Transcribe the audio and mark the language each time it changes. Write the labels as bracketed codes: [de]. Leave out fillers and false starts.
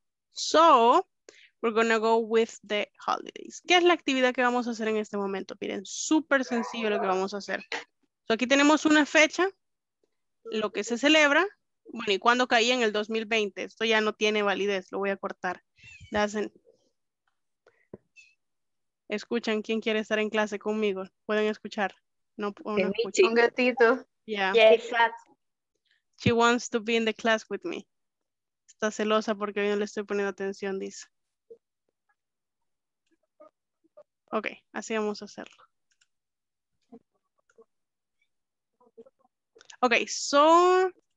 [en] So, we're going to go with the holidays. [es] ¿Qué es la actividad que vamos a hacer en este momento? Miren, súper sencillo lo que vamos a hacer. So aquí tenemos una fecha, lo que se celebra. Bueno, ¿y cuándo caía? En el 2020. Esto ya no tiene validez, lo voy a cortar. Escuchan, ¿quién quiere estar en clase conmigo? ¿Pueden escuchar? No, un gatito. [en] Yeah. Yeah, she wants to be in the class with me. [es] Está celosa porque yo no le estoy poniendo atención, dice. Ok, así vamos a hacerlo. [en] Ok, so...